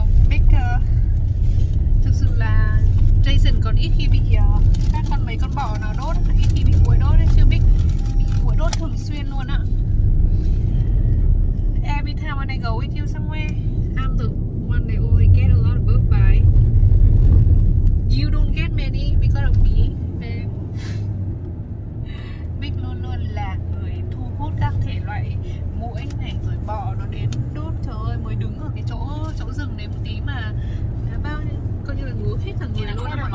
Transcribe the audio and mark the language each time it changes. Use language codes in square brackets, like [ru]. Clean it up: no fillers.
[vi] Becca, thực sự là Jason còn ít khi bị các con mấy con bò nó đốt, ít khi bị muỗi đốt đấy, chưa biết bị muỗi đốt thường xuyên luôn ạ. [en] Every time when I go with you somewhere, I'm the one that always get a lot of bug bites. You don't get many because of me, babe. [vi] Bích luôn luôn là người thu hút các thể loại muỗi này rồi bọ nó đến đốt. Trời ơi, mới đứng ở cái chỗ rừng này một tí mà đã bao nhiêu, coi như là ngứa hết cả người luôn.